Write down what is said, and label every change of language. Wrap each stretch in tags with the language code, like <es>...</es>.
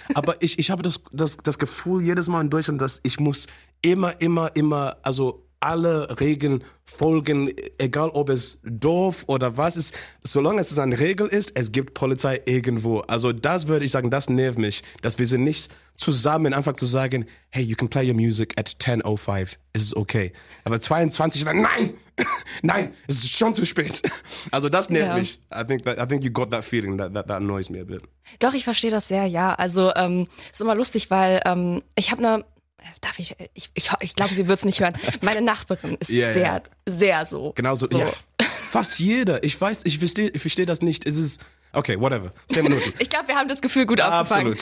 <de>Aber ich habe das Gefühl jedes Mal in Deutschland, dass ich muss immer, also alle Regeln folgen, egal ob es doof oder was ist, solange es eine Regel ist, es gibt Polizei irgendwo. Also das würde ich sagen, das nervt mich, dass wir sind nicht zusammen, einfach zu sagen,</de> <en>hey, you can play your music at 10:05,</en> <de>es ist okay. Aber 22, dann nein, es ist schon zu spät. Also das nervt mich.</de> <en>I think you got that feeling, that annoys me a bit.</en> <de>Doch, ich verstehe das sehr, ja. Also es ist immer lustig, weil ich habe eine, darf ich? Ich glaube, sie wird es nicht hören. Meine Nachbarin ist sehr so. Genau so. Ja. Fast jeder. Ich verstehe das nicht. Es ist okay, whatever. 10 Minuten. Ich glaube, wir haben das Gefühl gut aufgefangen.</de>